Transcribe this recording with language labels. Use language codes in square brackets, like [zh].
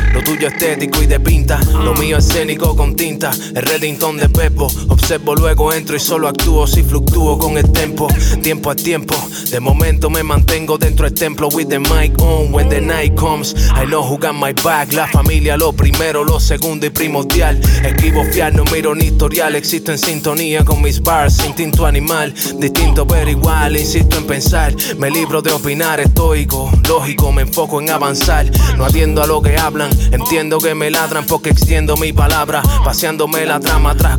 [es] Lo tuyo estético y de pinta, lo mío escénico con tinta. El Reddington de Pepo, observo luego entro y solo actúo si fluctúo con el tempo. Tiempo a tiempo, de momento me mantengo dentro del templo. [en] With the mic on, when the night comes, I know who got my back. [es] La familia lo primero, lo segundo y primordial. Esquivo fiar, no miro ni historial. Existo en sintonía con mis bars. Instinto animal, distinto pero igual. Insisto en pensar, me libro de opinar. Estoico, lógico, me enfoco en avanzar. No atiendo a lo que hablan, entiendo que me ladran. Porque extiendo mi palabra, paseándome la trama atrás.